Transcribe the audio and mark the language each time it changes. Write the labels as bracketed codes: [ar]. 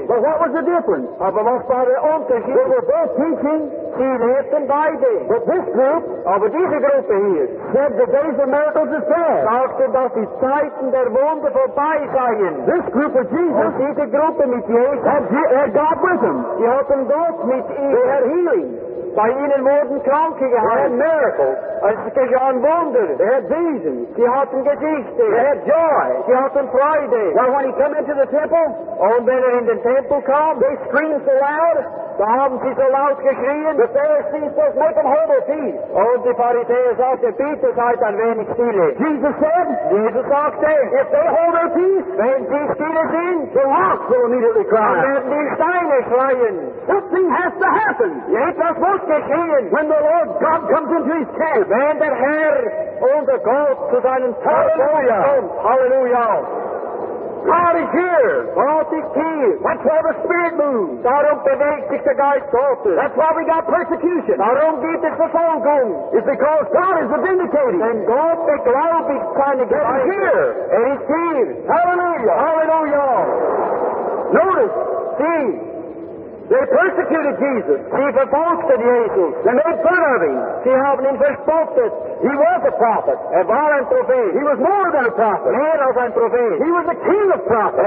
[en] But what was the difference? [de] Aber was war der Unterschied? [en] They were both teaching. [de] Sie lehrten beide. [en] But this group, [de] aber diese Gruppe hier, [en] said the days of miracles is past. [de] Sagte, dass die Zeiten der Wunder vorbei seien. [en] This group of Jesus. [de] Und diese Gruppe mit Jesus. [en] Had God with them. [de] Sie hatten Gott mit ihnen. [en] They had healing. [de] Bei ihnen wurden Kranke geheilt. [en] They had miracles. [de] Es geschahen Wunder. [en] They had visions. [de] Sie hatten Geschichte. [en] They had joy. [de] Sie hatten Freude. [en] Well, when he came into the temple, [de] und wenn er in den Tempel kam, [en] they screamed so loud, [de] da haben sie so laut geschrien, [en] the Pharisees says, make them hold their peace. [de] Und die Pharisäer sagten, bitte seid ein wenig stille. [en] Jesus said, [de] Jesus sagte, [en] if they hold their peace, [de] wenn sie stille sind, [en] the rocks will immediately cry. [de] Dann werden die Steine schreien. [en] Something has to happen. [de] Etwas muss geschehen. [en] When the Lord God comes into his tent. [de] Wenn der Herr unser Gott zu seinem Tempel kommt. [en] Hallelujah. God is here. God is here. That's why the Spirit moves. [de] Darum bewegt sich der Geist Gottes. [en] That's why we got persecution. [de] Darum gibt es Verfolgung. [en] It's because God is the vindicator. [de] And God beglaubigt seine Gemeinde. [en] He's here. [de] Er ist hier. [en] Hallelujah. [de] Hallelujah. [en] Notice. [de] See. [en] They persecuted Jesus. [de] Sie verfolgten Jesus. [en] They made fun of him. [de] Sie haben ihn verspottet. [en] He was a prophet. [de] Er war ein Prophet. [en] He was more than a prophet. [de] Mehr als ein Prophet. [en] He was the king of prophets.